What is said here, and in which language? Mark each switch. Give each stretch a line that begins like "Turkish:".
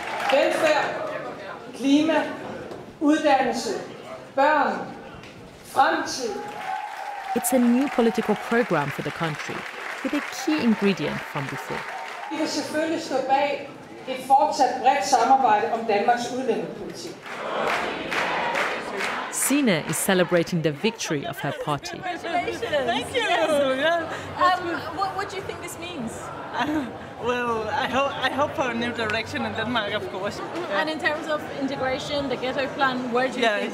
Danish: Velfærd, klima, uddannelse, børn, fremtid.
English: It's a new political program for the country, with a key ingredient from before.
Danish: Vi kan selvfølgelig stå bag et fortsat bredt samarbejde om Danmarks udlændingepolitik.
English: Sina is celebrating the victory of her party. Congratulations. Thank you. Yes. What do you think this means? I hope for a new direction in Denmark, of course. Yeah. And in terms of integration, the ghetto plan, where do you think?